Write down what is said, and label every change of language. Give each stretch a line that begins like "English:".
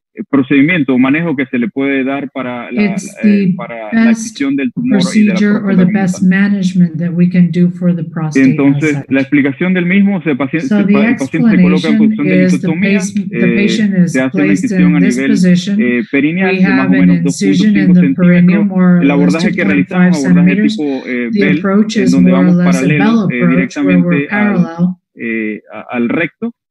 Spanish: procedimiento o manejo que se le puede dar para la adquisición del tumor y de la próstata.
English: Best management that we can do for the prostate.
Spanish: Entonces, la explicación del mismo, el paciente se coloca en posición de litotomía, se hace una incisión a nivel perineal de más o menos 2.5 centímetros. El abordaje que realizamos, abordaje tipo Bell, en donde vamos paralelo directamente al recto.